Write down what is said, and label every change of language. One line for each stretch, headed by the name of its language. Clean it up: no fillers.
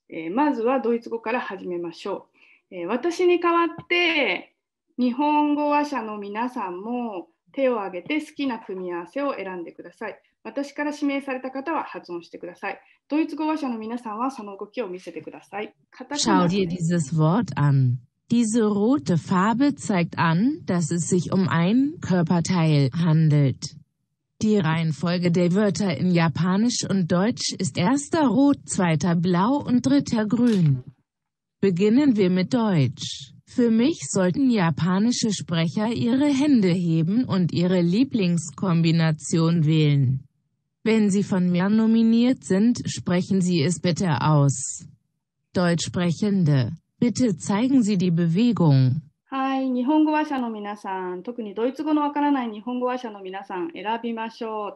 Japanese: まずはドイツ語から始めましょう。私に代わって日本語話者の皆さんも手を挙げて好きな組み合わせを選んでください。私から指名された方は発音してください。ドイツ語話者の皆さんはその動きを見せてください。
German: Schau dir dieses Wort an. Diese rote Farbe zeigt an, dass es sich ein Körperteil handelt. Die Reihenfolge der Wörter in Japanisch und Deutsch ist erster rot, zweiter blau und dritter grün. Beginnen wir mit Deutsch. Für mich sollten japanische Sprecher ihre Hände heben und ihre Lieblingskombination wählen. Wenn Sie von mir nominiert sind, sprechen Sie es bitte aus. Deutschsprechende, bitte zeigen Sie die Bewegung.
Japanese: Hi, 日本語話者の皆さん、特にドイツ語のわからない日本語話者の皆さん、選びましょう。